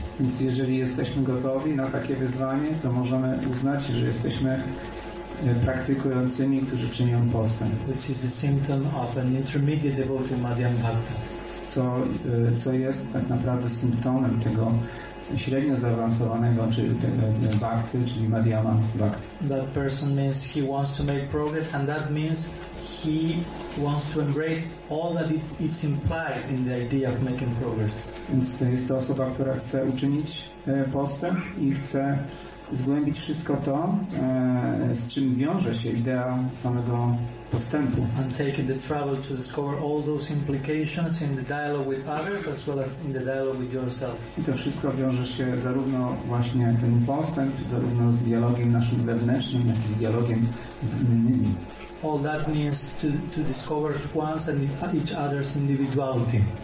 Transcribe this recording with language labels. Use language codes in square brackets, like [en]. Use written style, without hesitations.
[pl] Więc jeżeli jesteśmy gotowi na takie wyzwanie, to możemy uznać, że jesteśmy praktykującymi, którzy czynią postęp. [en] Which is a symptom of an intermediate devotee Madhyam Bhakta. [pl] Co jest tak naprawdę symptomem tego średnio zaawansowanego, czyli bhakti, czyli madhyama bhakti. [en] That person means he wants to make progress, and that means he wants to embrace all that it is implied in the idea of making progress. [pl] Więc to jest osoba, która chce uczynić postęp i chce zgłębić wszystko to, z czym wiąże się idea samego postępu. [en] I'm taking the trouble to discover all those implications in the dialogue with others as well as in the dialogue with yourself. [pl] I to wszystko wiąże się zarówno właśnie ten postęp, zarówno z dialogiem naszym wewnętrznym, jak i z dialogiem z innymi. [en] All that means to discover one's and each other's individuality.